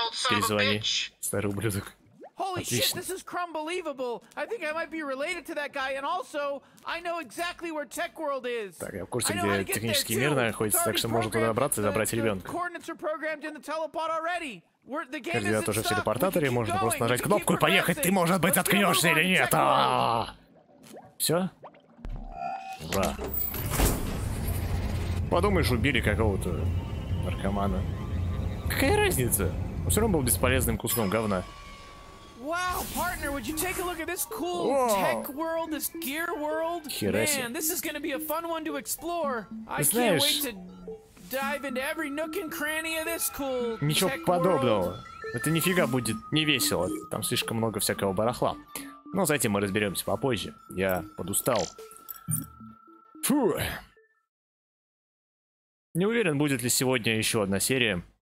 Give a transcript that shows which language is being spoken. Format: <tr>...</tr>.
<ru>Перезвони, старый ублюдок.</ru> <en>Holy shit, this is crumbelievable. I think I might be related to that guy, and also, I know exactly where Tech World is.</en> <ru>Так, я в курсе, где технический мир находится, так что можно туда добраться и забрать ребенка.</ru> <en>The coordinates are programmed in the teleport already.</en> <ru>Когда тоже все телепортаторы, можно просто нажать кнопку и поехать, ты, может быть, заткнешься или нет? Все? Ура. Подумаешь, убили какого-то наркомана. Какая разница? Он все равно был бесполезным куском говна.</ru> <en>Wow, partner, would you take a look at this cool tech world, this gear world? Man, this is gonna be a fun one to explore. I can't wait to dive into every nook and cranny of this cool tech world.</en> <ru>Ничего подобного. Это нифига будет не весело. Там слишком много всякого барахла. Но с этим мы разберемся попозже. Я подустал. Фу. Не уверен, будет ли сегодня еще одна серия.</ru>